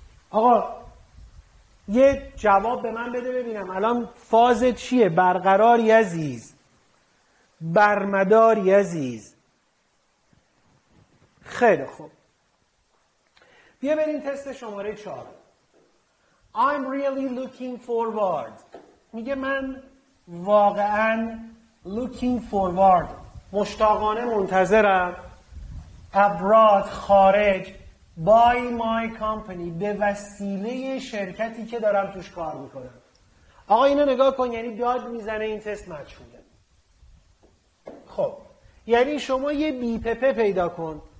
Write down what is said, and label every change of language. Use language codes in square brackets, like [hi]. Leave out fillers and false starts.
[fa] آقا یه جواب به من بده ببینم الان فاز چیه. برقراری عزیز، برمداری عزیز. خیلی خوب، بیا بریم تست شماره 4. [en] I'm really looking forward. [fa] میگه من واقعا [en] looking forward، [fa] مشتاقانه منتظرم. abroad خارج، [en] by my company [fa] به وسیله شرکتی که دارم توش کار میکنم. آقا اینو نگاه کن، یعنی داد میزنه این تست مجهوله. خب یعنی شما یه بی پپه پیدا کن.